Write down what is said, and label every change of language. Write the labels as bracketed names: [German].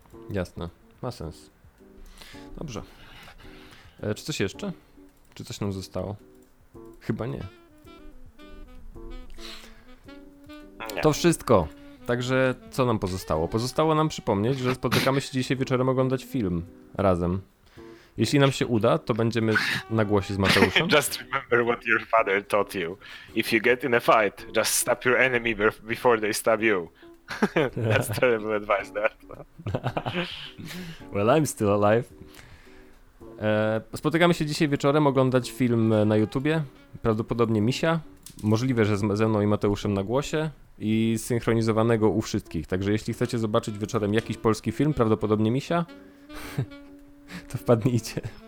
[Polish] Jasne, ma sens. Dobrze. Czy coś jeszcze? Czy coś nam zostało? Chyba nie. To wszystko. Także co nam pozostało? Pozostało nam przypomnieć, że spotykamy się dzisiaj wieczorem oglądać film razem. Jeśli nam się uda, to będziemy na głosie z Mateuszem. [English] Just remember what your father taught you. If you get in a fight, just stab your enemy before they stab you. That's terrible advice, Dad. Well, I'm still alive. [Polish] Spotykamy się dzisiaj wieczorem oglądać film na YouTubie. Prawdopodobnie Misia. Możliwe, że ze mną i Mateuszem na głosie. I zsynchronizowanego u wszystkich. Także jeśli chcecie zobaczyć wieczorem jakiś polski film, prawdopodobnie Misia, to wpadnijcie.